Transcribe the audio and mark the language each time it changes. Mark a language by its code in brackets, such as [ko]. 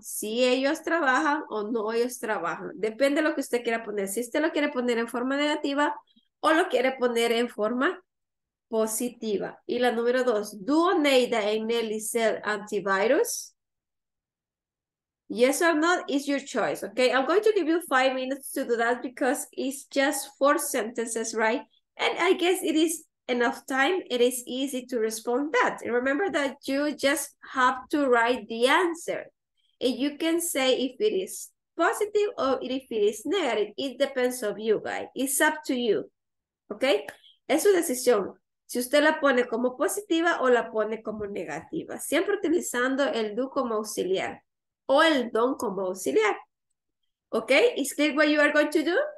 [es] ¿Sí ellos trabajan o no ellos trabajan? Depende de lo que usted quiera poner. Si usted lo quiere poner en forma negativa o lo quiere poner en forma positiva. [en] Y la número dos, ¿do Oneida y Nelly sell antivirus? Yes or not, it's your choice, okay? I'm going to give you 5 minutes to do that because it's just 4 sentences, right? And I guess it is enough time. It is easy to respond that. And remember that you just have to write the answer. And you can say if it is positive or if it is negative. It depends on you, guys. It's up to you, okay? [es] Es su decisión. Si usted la pone como positiva o la pone como negativa. Siempre utilizando el do como auxiliar. O el don como auxiliar. ¿Ok? [en] ¿Is clear what you are going to do?